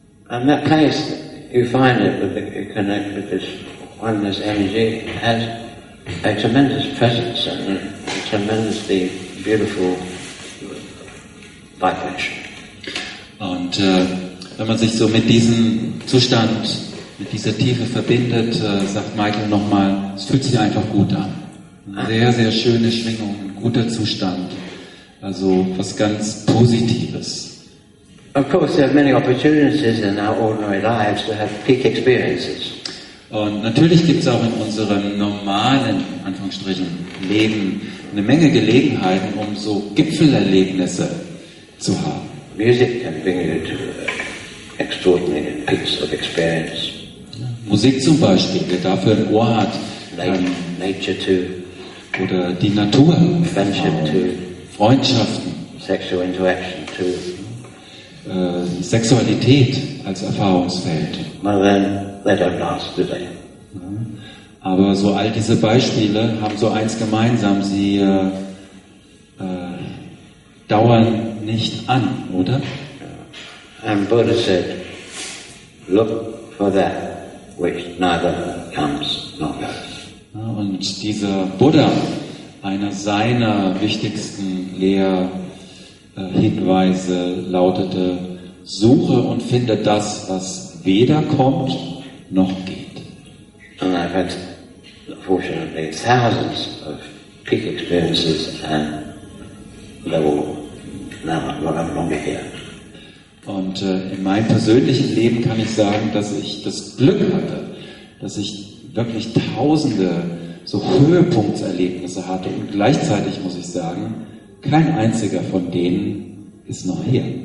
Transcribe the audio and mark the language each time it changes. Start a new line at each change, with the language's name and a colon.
English: And that place, you find it with the connect with this oneness energy, has a tremendous presence and a tremendously beautiful vibration.
German: Und wenn man sich so mit diesem Zustand, mit dieser Tiefe verbindet, sagt Michael nochmal, es fühlt sich einfach gut an. Sehr, sehr schöne Schwingung, ein guter Zustand, also was ganz Positives.
English: Of course, there are many opportunities in our ordinary lives to have peak experiences.
German: Und natürlich gibt es auch in unserem normalen, Anführungsstrichen, Leben eine Menge Gelegenheiten, um so Gipfelerlebnisse zu haben.
English: Music can bring you to extraordinary peaks of experience.
German: Musik zum Beispiel, wer dafür ein Ohr hat.
English: Nature too.
German: Oder die Natur.
English: Friendship too.
German: Freundschaften.
English: Sexual interaction too.
German: Sexualität als Erfahrungsfeld.
English: Well then, they don't last, do they?
German: Aber so all diese Beispiele haben so eins gemeinsam, sie dauern nicht an, oder?
English: And Buddha said, look for that which neither comes nor goes.
German: Und dieser Buddha, einer seiner wichtigsten Lehrhinweise lautete, suche und finde das, was weder kommt noch geht.
English: And I've had, fortunately, thousands of peak experiences, and they're all now not longer here.
German: Und in meinem persönlichen Leben kann ich sagen, dass ich das Glück hatte, dass ich wirklich tausende so Höhepunktserlebnisse hatte. Und gleichzeitig muss ich sagen, kein einziger von denen ist noch hier.